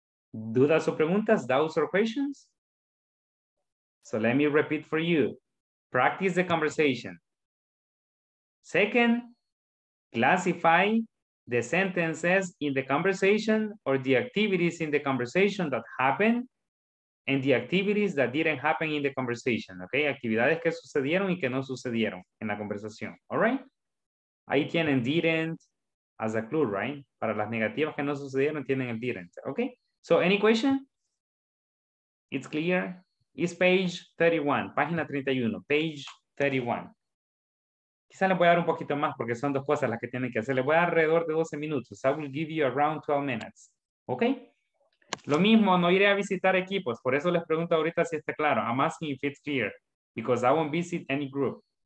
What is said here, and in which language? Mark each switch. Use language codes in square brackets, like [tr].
[es] ¿Dudas o preguntas? [en] Doubts or questions? So let me repeat for you. Practice the conversation. Second, classify the sentences in the conversation or the activities in the conversation that happened and the activities that didn't happen in the conversation, okay? [es] Actividades que sucedieron y que no sucedieron en la conversación, [en] all right? [es] Ahí tienen didn't [en] as a clue, right? [es] Para las negativas que no sucedieron, tienen el didn't, okay? [en] So any question? It's clear? It's page 31, página 31, page 31. [es] Quizá les voy a dar un poquito más porque son dos cosas las que tienen que hacer. Les voy a dar alrededor de 12 minutos. [en] I will give you around 12 minutes, okay? [es] Lo mismo, no iré a visitar equipos. Por eso les pregunto ahorita si está claro. [en] I'm asking if it's clear, because I won't visit any group.